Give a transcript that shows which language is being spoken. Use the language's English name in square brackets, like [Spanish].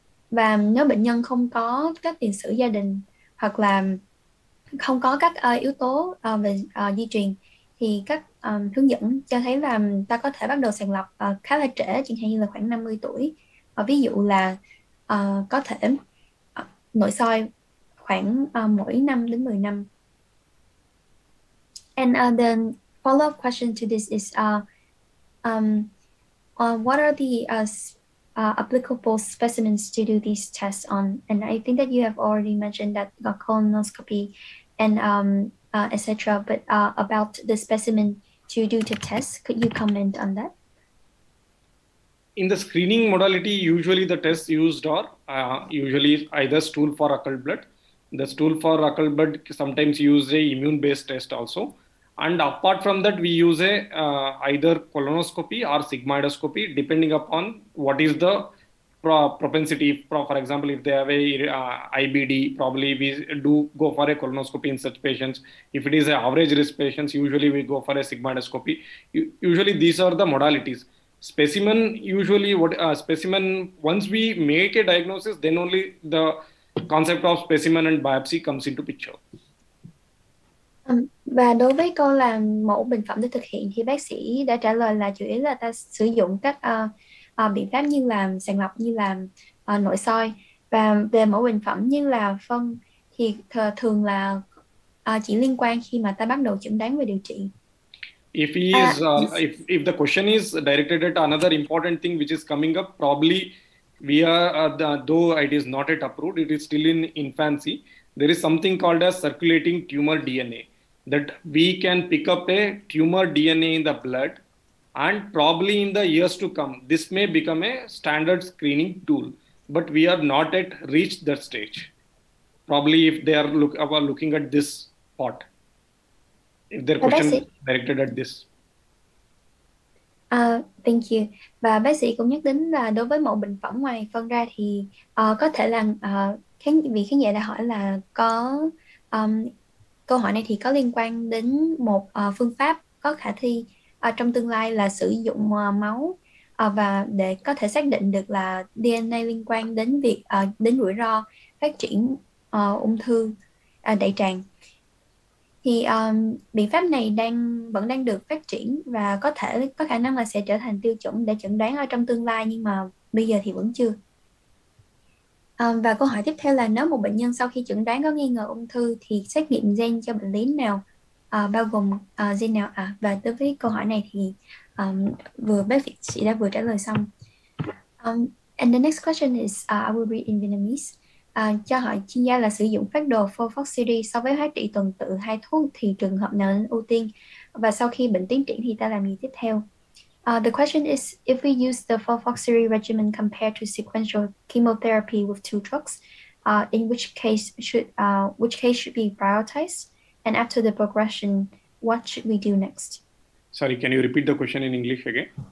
[Vietnamese] Và nếu bệnh nhân không có các tiền sử gia đình hoặc là không có các yếu tố về di truyền thì các hướng dẫn cho thấy là ta có thể bắt đầu sàng lọc khá là trễ, chẳng hạn như là khoảng 50 tuổi. Ví dụ là có thể nội soi khoảng mỗi 5 đến 10 năm. [English] And the follow-up question to this is what are the applicable specimens to do these tests on? And I think that you have already mentioned that the colonoscopy and etc. But about the specimen to do the test, could you comment on that? In the screening modality, usually the tests used are usually either stool for occult blood. The stool for occult blood sometimes use a immune-based test also. And apart from that, we use a either colonoscopy or sigmoidoscopy, depending upon what is the propensity. For example, if they have a IBD, probably we do go for a colonoscopy in such patients. If it is an average risk patients, usually we go for a sigmoidoscopy. Usually these are the modalities. Specimen usually what specimen, once we make a diagnosis, then only the concept of specimen and biopsy comes into picture. [Vietnamese] Và đối với câu là mẫu bệnh phẩm để thực hiện thì bác sĩ đã trả lời là chủ yếu là ta sử dụng các biện pháp như là sàng lọc, như là nội soi, và về mẫu bệnh phẩm như là phân thì thường là chỉ liên quan khi mà ta bắt đầu chẩn đoán về điều trị. [English] If he is, if the question is directed at another important thing which is coming up, probably we are, though it is not yet approved, it is still in infancy. there is something called as circulating tumor DNA, that we can pick up a tumor DNA in the blood, and probably in the years to come, this may become a standard screening tool, but we have not yet reached that stage. Probably if they are looking at this part, if their question is directed at this. Thank you. [Vietnamese] Và bác sĩ cũng nhắc đến là đối với mẫu bệnh phẩm ngoài phân ra thì có thể là vì khán giả đã hỏi là có câu hỏi này thì có liên quan đến một phương pháp có khả thi trong tương lai là sử dụng máu và để có thể xác định được là DNA liên quan đến việc đến rủi ro phát triển ung thư đại tràng. Thì biện pháp này vẫn đang được phát triển và có khả năng là sẽ trở thành tiêu chuẩn để chẩn đoán ở trong tương lai, nhưng mà bây giờ thì vẫn chưa. Và câu hỏi tiếp theo là nếu một bệnh nhân sau khi chẩn đoán có nghi ngờ ung thư thì xét nghiệm gen cho bệnh lý nào, bao gồm gen nào ạ? Và đối với câu hỏi này thì bác sĩ đã vừa trả lời xong. [English] And the next question is, I will read in Vietnamese. [Vietnamese] Cho hỏi chuyên gia là sử dụng phác đồ FOLFOXIRI so với hóa trị tuần tự hai thuốc thì trường hợp nào nên ưu tiên và sau khi bệnh tiến triển thì ta làm gì tiếp theo? [English] The question is, if we use the FOLFOXIRI regimen compared to sequential chemotherapy with two drugs, in which case should be prioritized, and after the progression, what should we do next? Sorry, can you repeat the question in English again?